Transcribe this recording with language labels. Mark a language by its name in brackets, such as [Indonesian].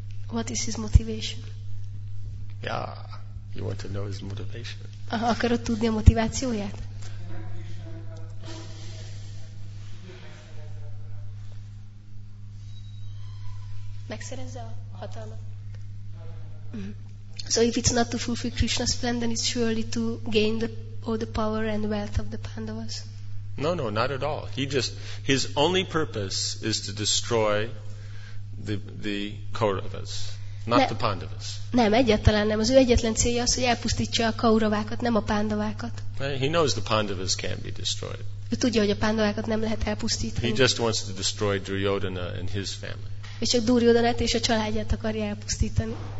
[English] What is his motivation? Yeah, you want to know his motivation. [Hungarian] Akarod tudni a motivációját? Megszerezze a hatalmat. [English] So if it's not to fulfill Krishna's plan, then it's surely to gain all the power and wealth of the Pandavas. No, not at all. His only purpose is to destroy the Kauravas, not the Pandavas. [Hungarian] Nem, egyáltalán nem. Az ő egyetlen célja az, hogy elpusztítsa a Kauravákat, nem a Pandavákat. [English] He knows the Pandavas can't be destroyed. [Hungarian] Ő tudja, hogy a Pandavákat nem lehet elpusztítani. [English] He just wants to destroy Duryodhana and his family. [Hungarian] És csak Duryodhanát és a családját akarja elpusztítani.